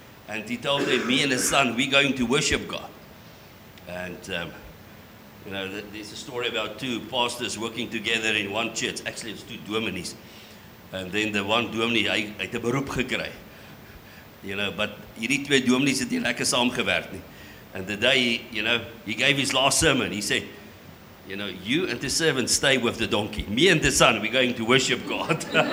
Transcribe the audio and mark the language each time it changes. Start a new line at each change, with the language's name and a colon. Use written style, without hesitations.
English: And he told them, me and his son, we're going to worship God. And, there's a story about two pastors working together in one church. Actually, it's two dominees. And then the one dominee,
Afrikaans: hy het 'n beroep gekry.
English: You know, but
Afrikaans: hierdie twee dominees het nie lekker saamgewerk nie.
English: And the day, he gave his last sermon, he said, you know, you and the servant stay with the donkey. Me and the son, we're going to worship God.